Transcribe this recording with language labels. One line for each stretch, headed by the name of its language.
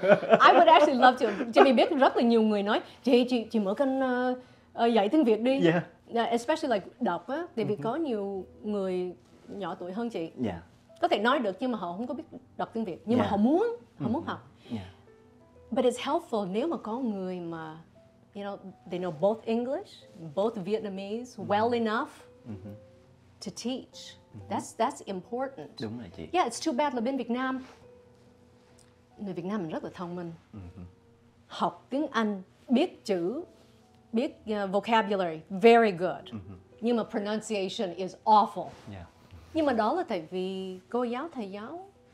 English: I would actually love to.
Vietnamese: Jimmy biết rất là nhiều người nói chị mở kênh dạy tiếng Việt đi.
English: Especially like
Vietnamese: đọc á, tại vì có nhiều người nhỏ tuổi hơn chị. Có thể nói được nhưng mà họ không có biết đọc tiếng Việt, nhưng mà họ muốn học.
English: But it's helpful
Vietnamese: nếu mà có người mà,
English: you know, they know both English, both Vietnamese well enough to teach. That's important.
Vietnamese: Đúng rồi chị.
English: Yeah, it's too bad
Vietnamese: là bên Việt Nam, người Việt Nam mình rất là thông minh. Học tiếng Anh, biết chữ, biết vocabulary,
English: very good.
Vietnamese: Nhưng mà
English: pronunciation is awful.
Vietnamese: Nhưng mà đó là tại vì cô giáo, thầy giáo